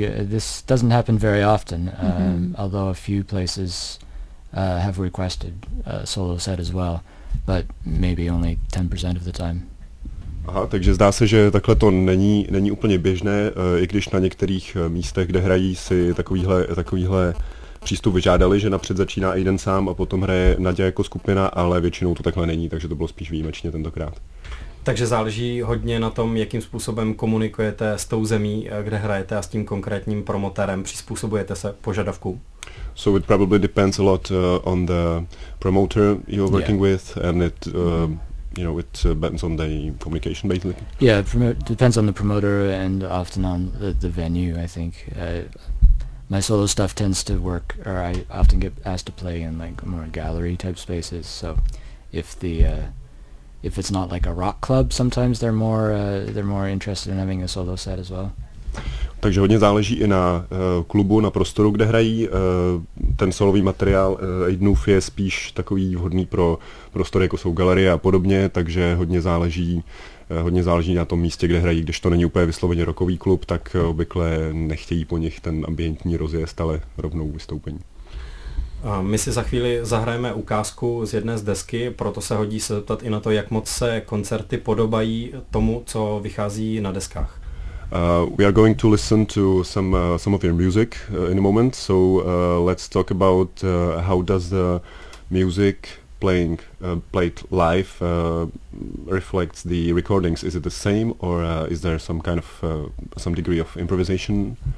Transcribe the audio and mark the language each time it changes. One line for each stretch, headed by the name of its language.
English: This doesn't happen very often, although a few places have requested a solo set as well, but maybe only 10% of the time.
Czech: Aha, takže zdá se, že takhle to není úplně běžné, i když na některých místech, kde hrají, si takovýhle přístup vyžádali, že napřed začíná Aidan sám a potom hraje Naďa jako skupina, ale většinou to takhle není, takže to bylo spíš výjimečně tentokrát. Takže záleží hodně na tom, jakým způsobem komunikujete s tou zemí, kde hrajete, a s tím konkrétním promotérem, přizpůsobujete se požadavku?
English: So it probably depends a lot on the promoter you're working with and it... You know, it depends on the communication, basically. Yeah, depends on the promoter and often on the venue, I think. My solo stuff tends to work, or I often get asked to play in, like, more gallery-type spaces, so if it's not, like, a rock club, sometimes they're more interested in having a solo set as well.
Czech: Takže hodně záleží i na klubu, na prostoru, kde hrají. Ten solový materiál Aidanův je spíš takový vhodný pro prostory, jako jsou galerie a podobně, takže hodně záleží na tom místě, kde hrají. Když to není úplně vysloveně rockový klub, tak obvykle nechtějí po nich ten ambientní rozjezd, ale rovnou vystoupení. My si za chvíli zahrajeme ukázku z jedné z desky, proto se hodí se zeptat i na to, jak moc se koncerty podobají tomu, co vychází na deskách.
English: We are going to listen to some of your music in a moment, so let's talk about how does the music played live reflects the recordings. Is it the same or is there some kind of some degree of improvisation?